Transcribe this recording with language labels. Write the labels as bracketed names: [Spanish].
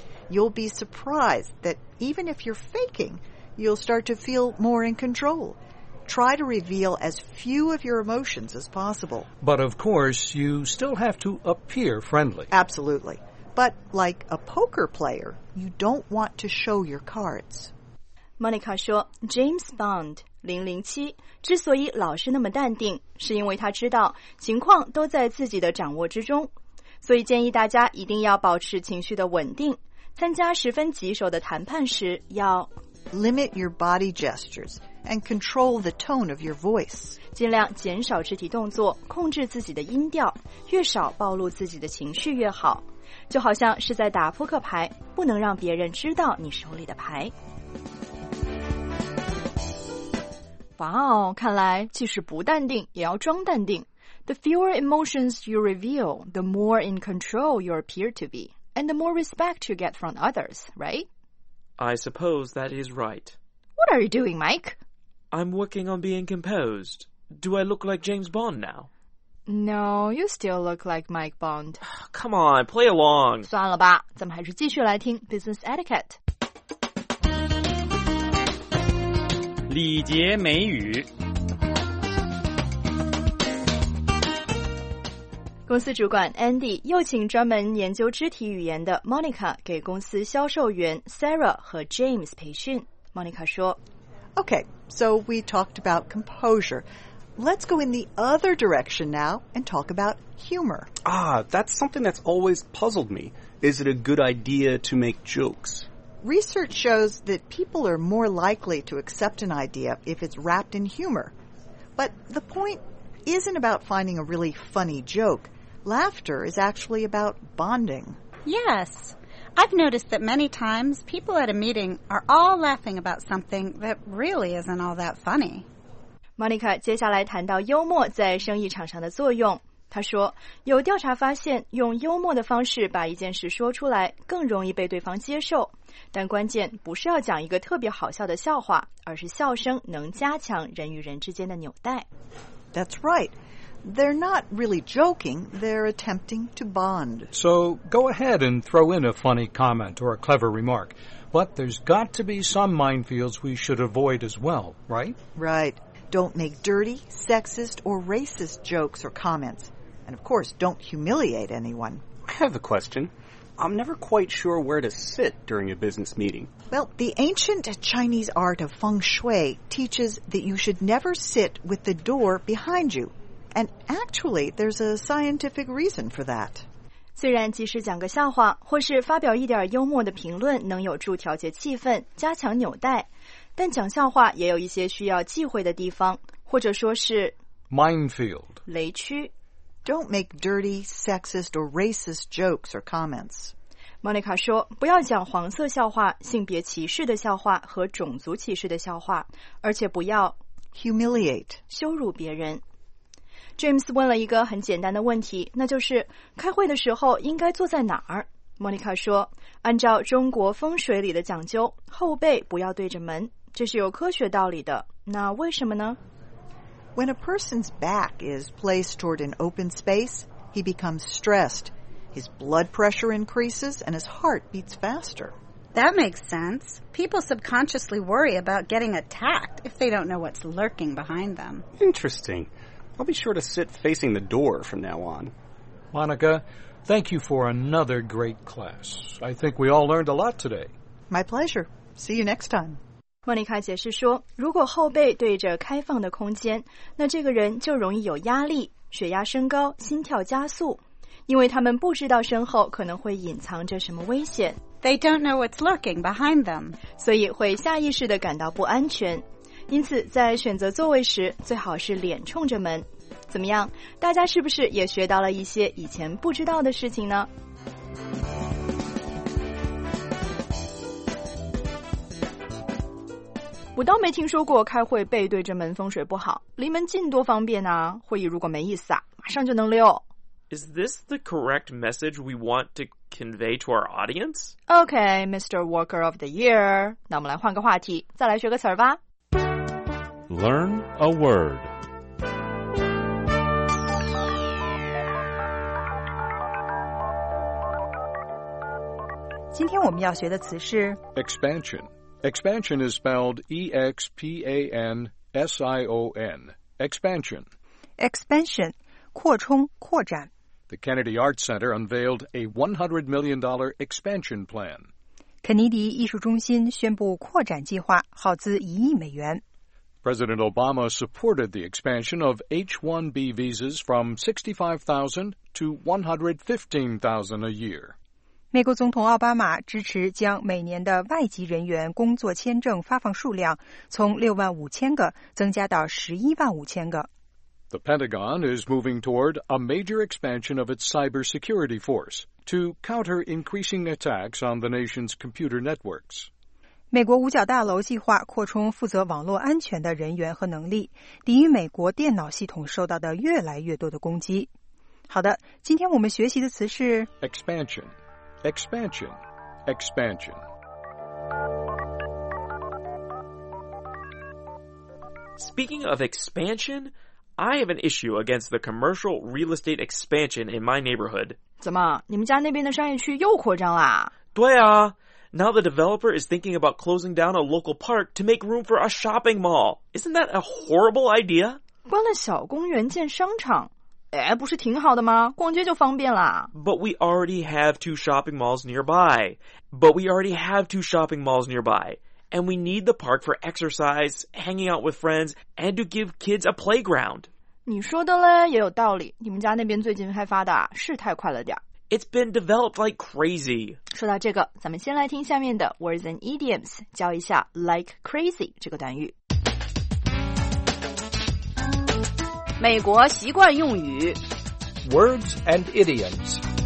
[English] You'll be surprised that even if you're faking, you'll start to feel more in control. Try to reveal as few of your emotions as possible. But of course, you still have to appear friendly. Absolutely. But like a poker player, you don't want to show your cards. [Chinese] Monica 说, James Bond. 007之所以老是那么淡定，是因为他知道情况都在自己的掌握之中，所以建议大家一定要保持情绪的稳定，参加十分棘手的谈判时要 [English] limit your body gestures and control the tone of your voice， [Chinese] 尽量减少肢体动作，控制自己的音调，越少暴露自己的情绪越好，就好像是在打扑克牌，不能让别人知道你手里的牌。哇哦，看来即使不淡定也要装淡定。 [English] The fewer emotions you reveal, the more in control you appear to be, and the more respect you get from others, right? I suppose that is right. What are you doing, Mike? I'm working on being composed. Do I look like James Bond now? No, you still look like Mike Bond. Come on, play along. [Chinese] 算了吧，咱们还是继续来听 Business Etiquette。礼节美语。公司主管 Andy 又请专门研究肢体语言的 Monica 给公司销售员 Sarah 和 James 培训。 Monica 说 [English] Okay, so we talked about composure. Let's go in the other direction now and talk about humor. Ah, that's something that's always puzzled me. Is it a good idea to make jokes? Research shows that people are more likely to accept an idea if it's wrapped in humor. But the point isn't about finding a really funny joke. Laughter is actually about bonding. Yes. I've noticed that many times people at a meeting are all laughing about something that really isn't all that funny. [Chinese] Monica 接下来谈到幽默在生意场上的作用。她说，有调查发现，用幽默的方式把一件事说出来，更容易被对方接受。但关键不是要讲一个特别好笑的笑话，而是笑声能加强人与人之间的纽带。 [English] That's right. They're not really joking. They're attempting to bond. So go ahead and throw in a funny comment or a clever remark. But there's got to be some minefields we should avoid as well, right? Right. Don't make dirty, sexist, or racist jokes or comments. And of course, don't humiliate anyone. I have a question. I'm never quite sure where to sit during a business meeting. Well, the ancient Chinese art of feng shui teaches that you should never sit with the door behind you. And actually, there's a scientific reason for that. [Chinese] 虽然即使讲个笑话或是发表一点幽默的评论能有助调节气氛，加强纽带，但讲笑话也有一些需要忌讳的地方，或者说是 [English] minefield [Chinese] 雷区。 [English] Don't make dirty, sexist, or racist jokes or comments. [Chinese] Monica 说，不要讲黄色笑话、性别歧视的笑话和种族歧视的笑话，而且不要 [English] humiliate [Chinese] 羞辱别人。 James 问了一个很简单的问题，那就是开会的时候应该坐在哪儿？ Monica 说，按照中国风水里的讲究，后背不要对着门，这是有科学道理的。那为什么呢？ [English] When a person's back is placed toward an open space, he becomes stressed. His blood pressure increases and his heart beats faster. That makes sense. People subconsciously worry about getting attacked if they don't know what's lurking behind them. Interesting. I'll be sure to sit facing the door from now on. Monica, thank you for another great class. I think we all learned a lot today. My pleasure. See you next time. [Chinese] 莫妮卡解释说，如果后背对着开放的空间，那这个人就容易有压力，血压升高，心跳加速，因为他们不知道身后可能会隐藏着什么危险。 [English] They don't know what's lurking behind them. [Chinese] 所以会下意识地感到不安全。因此在选择座位时最好是脸冲着门。怎么样？大家是不是也学到了一些以前不知道的事情呢？我倒没听说过开会背对着门风水不好，离门近多方便啊，会议如果没意思啊，马上就能溜。 [English] Is this the correct message we want to convey to our audience? Okay, Mr. Worker of the Year. [Chinese] 那我们来换个话题，再来学个词儿吧。 [English] Learn a word. Today, [Chinese] 我们要学的词是 [English] expansion. Expansion is spelled E-X-P-A-N-S-I-O-N. Expansion. [Chinese] Expansion, 扩充、扩展。 [English] The Kennedy Arts Center unveiled a $100 million expansion plan. [Chinese] 肯尼迪艺术中心宣布扩展计划，耗资$100 million。 [English] President Obama supported the expansion of H-1B visas from 65,000 to 115,000 a year. [Chinese] 美国总统奥巴马支持将每年的外籍人员工作签证发放数量从65,000个增加到115,000个。 [English] The Pentagon is moving toward a major expansion of its cybersecurity force to counter increasing attacks on the nation's computer networks. [Chinese] 美国五角大楼计划扩充负责网络安全的人员和能力，抵御美国电脑系统受到的越来越多的攻击。好的，今天我们学习的词是 [English] expansion, expansion, expansion. Speaking of expansion,I have an issue against the commercial real estate expansion in my neighborhood. [Chinese] 怎么，你们家那边的商业区又扩张啦？对啊。 [English] Now the developer is thinking about closing down a local park to make room for a shopping mall. Isn't that a horrible idea? [Chinese] 关了小公园建商场，哎，不是挺好的吗？逛街就方便啦。 [English] But we already have two shopping malls nearby. But we already have two shopping malls nearby. And we need the park for exercise, hanging out with friends, and to give kids a playground. [Chinese] 你说的嘞也有道理，你们家那边最近开发的是太快了点。 [English] It's been developed like crazy. [Chinese] 说到这个，咱们先来听下面的 [English] words and idioms, [Chinese] 教一下 like crazy 这个短语。美国习惯用语 [English] Words and idioms.